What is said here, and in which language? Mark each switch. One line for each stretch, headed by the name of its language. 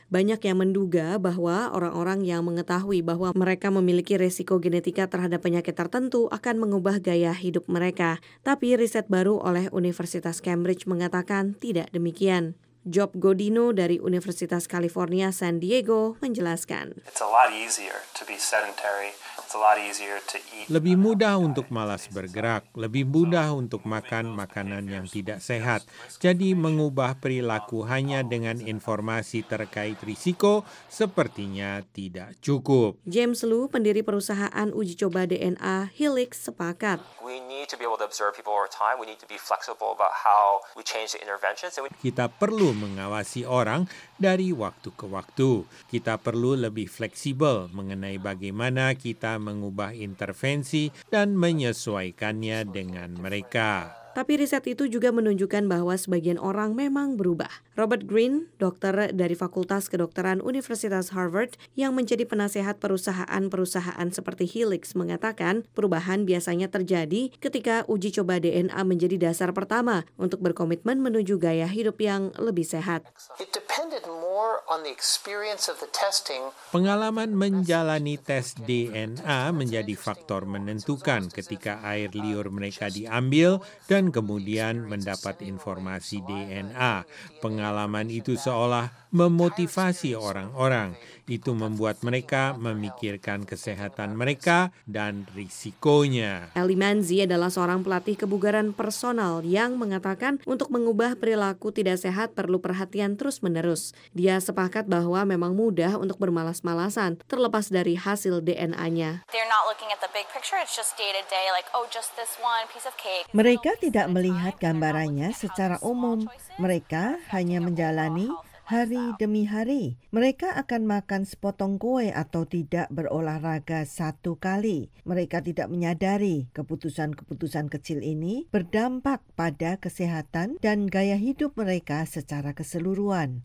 Indonesian: Banyak yang menduga bahwa orang-orang yang mengetahui bahwa mereka memiliki risiko genetika terhadap penyakit tertentu akan mengubah gaya hidup mereka. Tapi riset baru oleh Universitas Cambridge mengatakan tidak demikian. Job Godino dari Universitas California San Diego menjelaskan.
English: It's a lot easier to be sedentary. It's a lot easier to eat.
Indonesian: Lebih mudah untuk malas bergerak, lebih mudah untuk makan makanan yang tidak sehat. Jadi mengubah perilaku hanya dengan informasi terkait risiko sepertinya tidak cukup. James Liu, pendiri perusahaan uji coba DNA Helix, sepakat.
English: We need to be able to observe people over time. We need to be flexible about how we change the interventions.
Indonesian: Kita perlu mengawasi orang dari waktu ke waktu. Kita perlu lebih fleksibel mengenai bagaimana kita mengubah intervensi dan menyesuaikannya dengan mereka. Tapi riset itu juga menunjukkan bahwa sebagian orang memang berubah. Robert Green, dokter dari Fakultas Kedokteran Universitas Harvard yang menjadi penasehat perusahaan-perusahaan seperti Helix, mengatakan perubahan biasanya terjadi ketika uji coba DNA menjadi dasar pertama untuk berkomitmen menuju gaya hidup yang lebih sehat.
English: It depended more on the experience of the testing.
Indonesian: Pengalaman menjalani tes DNA menjadi faktor menentukan ketika air liur mereka diambil dan kemudian mendapat informasi DNA. Pengalaman itu seolah memotivasi orang-orang. Itu membuat mereka memikirkan kesehatan mereka dan risikonya. Ellie Manzi adalah seorang pelatih kebugaran personal yang mengatakan untuk mengubah perilaku tidak sehat perlu perhatian terus-menerus. Dia sepakat bahwa memang mudah untuk bermalas-malasan terlepas dari hasil DNA-nya.
English: They're not looking at the big picture, it's just day to day, like, oh, just this one piece of cake.
Indonesian: Mereka tidak melihat gambarannya secara umum. Mereka hanya menjalani hari demi hari. Mereka akan makan sepotong kue atau tidak berolahraga satu kali. Mereka tidak menyadari keputusan-keputusan kecil ini berdampak pada kesehatan dan gaya hidup mereka secara keseluruhan.